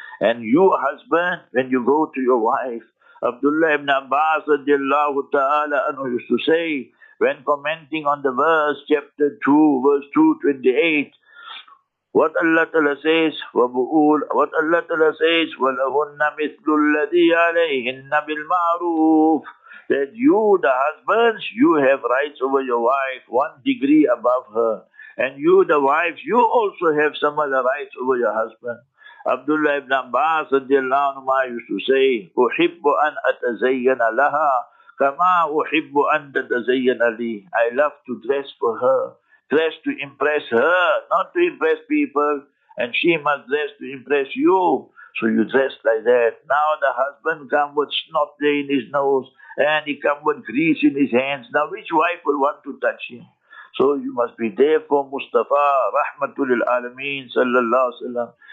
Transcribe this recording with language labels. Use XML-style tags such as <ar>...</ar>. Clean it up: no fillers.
<en>And you, husband, when you go to your wife, Abdullah ibn Abbas radiallahu ta'ala anhu used to say, when commenting on the verse, chapter 2, verse 228, what Allah Ta'ala says,</en> <ar>وَبُؤُولَ,</ar> <en>what Allah Ta'ala says,</en> <ar>وَلَهُنَّ مِثْلُ الَّذِي عَلَيْهِنَّ بِالْمَعْرُوفِ,</ar> <en>that you, the husbands, you have rights over your wife, 1 degree above her. And you, the wives, you also have similar rights over your husband.</en> <ar>Abdullah ibn Abbas radiallahu anhu used to say, أُحِبُّ أَنْ أَتَزَيَّنَ لَهَا كَمَا أُحِبُّ أَنْ تَتَزَيَّنَ لِي.</ar> <en>I love to dress for her, dress to impress her, not to impress people, and she must dress to impress you. So you dress like that. Now the husband come with snot in his nose, and he come with grease in his hands. Now which wife will want to touch him? So you must be there for Mustafa, رَحْمَةُ alameen, sallallahu alaihi wasallam.</en>